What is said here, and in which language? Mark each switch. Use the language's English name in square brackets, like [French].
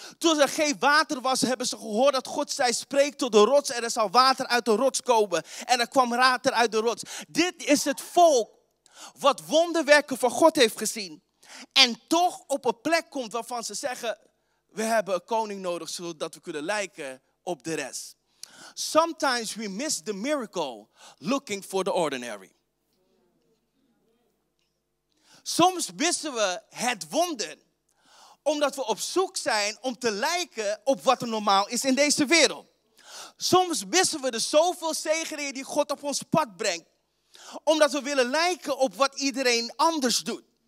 [Dutch] Toen er geen water was, hebben ze gehoord dat God zei, spreek tot de rots en er zal water uit de rots komen. En er kwam water uit de rots. Dit is het volk wat wonderwerken van God heeft gezien. En toch op een plek komt waarvan ze zeggen, we hebben een koning nodig zodat we kunnen lijken op de rest. [English] Sometimes we miss the miracle looking for the ordinary. [Dutch] Soms missen we het wonder omdat we op zoek zijn om te lijken op wat er normaal is in deze wereld. Soms missen we de zoveel zegeningen die God op ons pad brengt, omdat we willen lijken op wat iedereen anders doet.